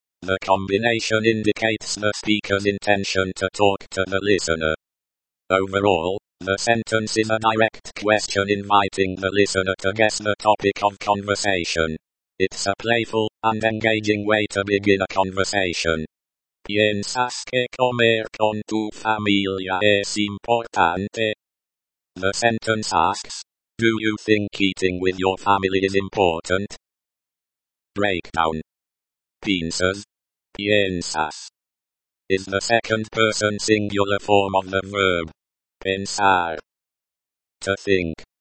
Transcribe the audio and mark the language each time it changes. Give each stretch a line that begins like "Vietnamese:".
English: The combination indicates the speaker's intention to talk to the listener. Overall, the sentence is a direct question inviting the listener to guess the topic of conversation. It's a playful and engaging way to begin a conversation.
Spanish: ¿Piensas que comer con tu familia es importante?
English: The sentence asks, do you think eating with your family is important? Breakdown.
Spanish: Piensas. Piensas.
English: Is the second person singular form of the verb. Pensar. To think.